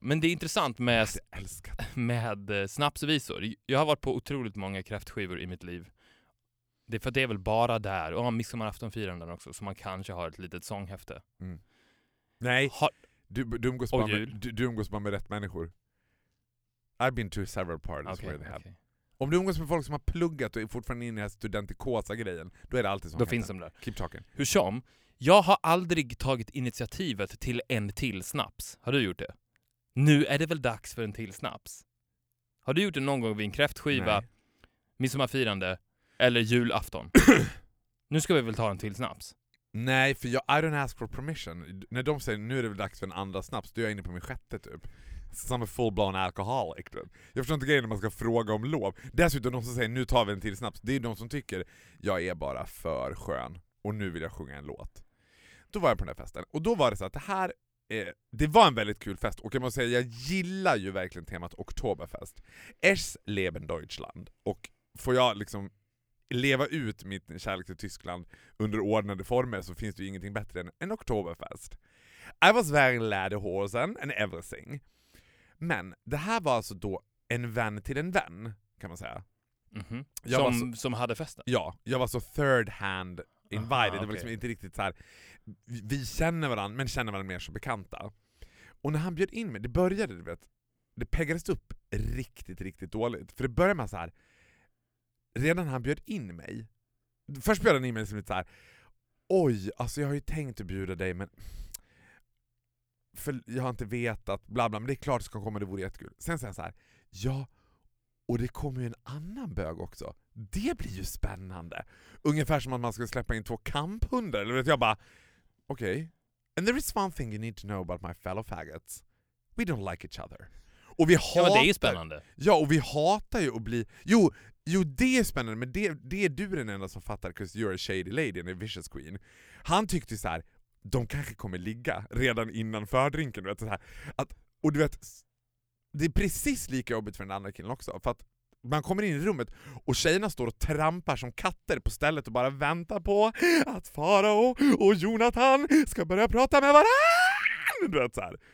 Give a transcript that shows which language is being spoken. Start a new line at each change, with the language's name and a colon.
Swedish: Men det är intressant med snapsvisor. Jag har varit på otroligt många kräftskivor i mitt liv. Det är för att det är väl bara där. Och midsommaraftonfirandet också. Så man kanske har ett litet sånghäfte. Mm. Nej, du umgås bara med rätt människor.
English: I've been to several parties where they have.
Swedish: Om du umgås med folk som har pluggat och är fortfarande inne i den här studentikosa grejen, då är det alltid så. Då finns de där.
English: Keep talking.
Swedish: Hur som, jag har aldrig tagit initiativet till en till snaps. Har du gjort det? Nu är det väl dags för en till snaps. Har du gjort det någon gång vid en kräftskiva, midsommarfirande eller julafton? Nu ska vi väl ta en till snaps. Nej, för jag,
English: I don't ask for permission.
Swedish: När de säger nu är det väl dags för en andra snaps, då är jag inne på min sjätte typ. Som en full-blown alkoholic. Jag förstår inte grejen när man ska fråga om lov. Dessutom de som säger, nu tar vi en till snaps. Det är de som tycker, jag är bara för skön. Och nu vill jag sjunga en låt. Då var jag på den här festen. Och då var det så att det här, det var en väldigt kul fest. Och jag måste säga, jag gillar ju verkligen temat oktoberfest.
German: Es leben Deutschland.
Swedish: Och får jag liksom leva ut mitt kärlek till Tyskland under ordnade former så finns det ju ingenting bättre än en oktoberfest.
English: I was wearing lederhosen and everything.
Swedish: Men det här var alltså då en vän till en vän, kan man säga. Mm-hmm. Som hade festen? Ja, jag var så
English: third hand invited.
Swedish: Aha, det var liksom inte riktigt så här. Vi känner varandra, men känner varandra mer som bekanta. Och när han bjöd in mig, det började, du vet, det peggades upp riktigt, riktigt dåligt. För det började med så här. Redan när han bjöd in mig. Först bjöd han in mig liksom lite så här. Oj, alltså jag har ju tänkt att bjuda dig, men för jag har inte vetat, bla bla, men det är klart att det ska komma, det vore jättekul. Sen säger han så här, ja, och det kommer ju en annan bög också. Det blir ju spännande. Ungefär som att man ska släppa in två kamphundar, eller vet jag, bara, okej.
English: Okay. And there is one thing you need to know about my fellow faggots. We don't like each other.
Swedish: Och vi hatar, ja, det är ju spännande. Ja, och vi hatar ju att bli, jo, jo, det är spännande, men det är du den enda som fattar,
English: because you're a shady lady and a vicious queen.
Swedish: Han tyckte så här, de kanske kommer ligga redan innan fördrinken, du vet, så här. Att, och du vet, det är precis lika jobbigt för den andra killen också, för att man kommer in i rummet och tjejerna står och trampar som katter på stället och bara väntar på att Farao och Jonathan ska börja prata med varann, du vet, så här.